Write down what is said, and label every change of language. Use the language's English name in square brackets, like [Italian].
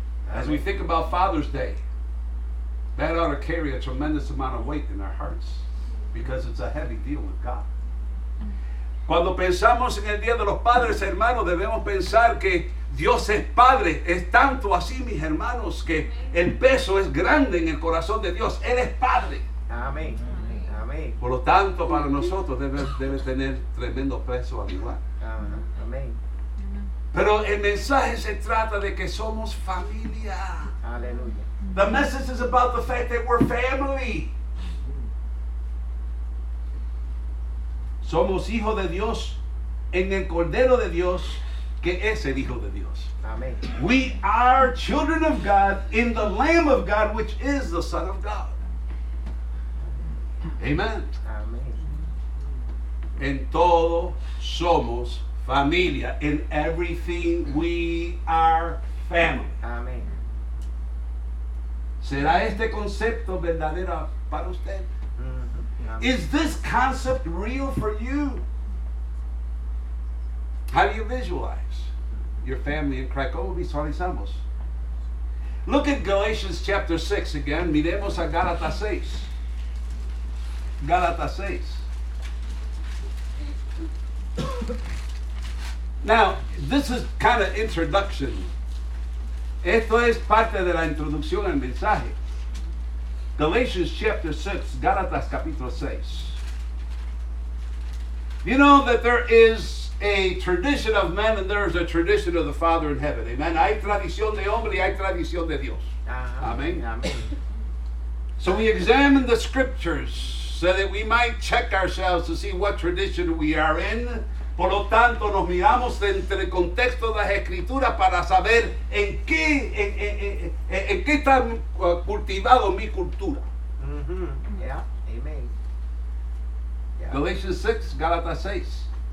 [English] As we think about Father's Day, that ought to carry a tremendous amount of weight in our hearts, because it's a heavy deal with God. [Spanish] Cuando pensamos en el Día de los Padres, hermanos, debemos pensar que Dios es Padre. Es tanto así, mis hermanos, que el peso es grande en el corazón de Dios. Él es Padre. Amén. Amén. Por lo tanto, para nosotros debe tener tremendo peso al igual. Amén. Pero el mensaje se trata de que somos familia. Aleluya. [English] The message is about the fact that we're family. [Spanish] Somos hijos de Dios en el Cordero de Dios, que es el Hijo de Dios. Amén. [English] We are children of God in the Lamb of God, which is the Son of God. Amen. [Spanish] Amén. En todo somos familia. [English] In everything we are family. [Spanish] Amén. ¿Será este concepto verdadero para usted? [English] Is this concept real for you? How do you visualize your family in Christ? [Spanish] ¿Cómo visualizamos? [English] Look at Galatians chapter 6 again. [Spanish] Miremos a Gálatas 6. Gálatas 6. [English] Now, this is kind of introduction. [Spanish] Esto es parte de la introducción al mensaje. [English] Galatians chapter 6, [Spanish] Gálatas capítulo 6. [English] You know that there is a tradition of men and there is a tradition of the Father in heaven. Amen. [Spanish] Hay tradición de hombre y hay tradición de Dios. [English] Amen. So we examine the scriptures so that we might check ourselves to see what tradition we are in. [Spanish] Por lo tanto, nos miramos entre el contexto de las Escrituras para saber en qué está cultivado mi cultura. [English] Mm-hmm. Yeah. Amen. Yeah. Galatians 6, Gálatas 6.